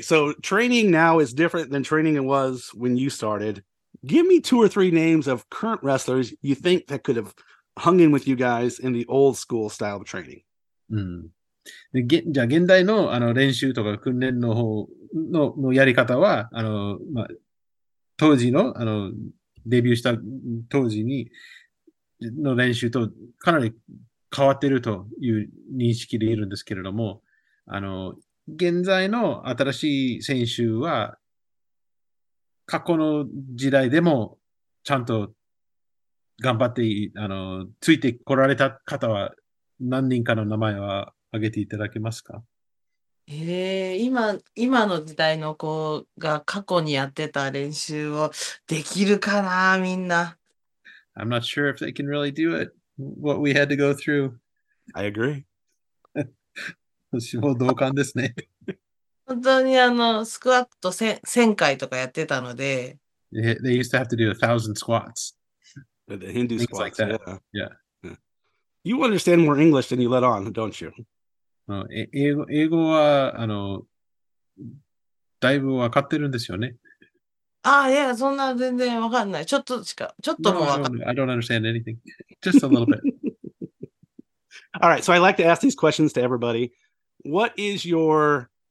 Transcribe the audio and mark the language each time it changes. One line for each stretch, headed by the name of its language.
English: So training now is different than training it was when you started. Give me two or three names of current wrestlers you think that could have hung in with you guys in the old school style of training.
Japanese: じゃあ現代の練習とか訓練の方のやり方は当時のデビューした当時にの練習とかなり変わっているという認識でいるんですけれども、現在の新しい選手は、過去の時代でもちゃんと頑張って、ついてこられた方は何人かの名前は挙げていただけますか？今の時代の子が過去にやってた練習をできるかな、みんな。
English: I'm not sure if they can really do it, what we had to go through. I agree.
Japanese: 私も同感ですね。本当にスクワット 1,000回とかやってたので。
English: They used to have to do 1,000 squats. The Hindu squats, like that. Yeah. You understand more English than you let on, don't you?
Japanese: 英語は、だいぶわかってるんですよね。ああ、いや、そんな全然わかんない。ちょっとしか、ちょっともわかんない。
English: I don't understand anything. Just a little bit. All right, so I like to ask these questions to everybody. What is your...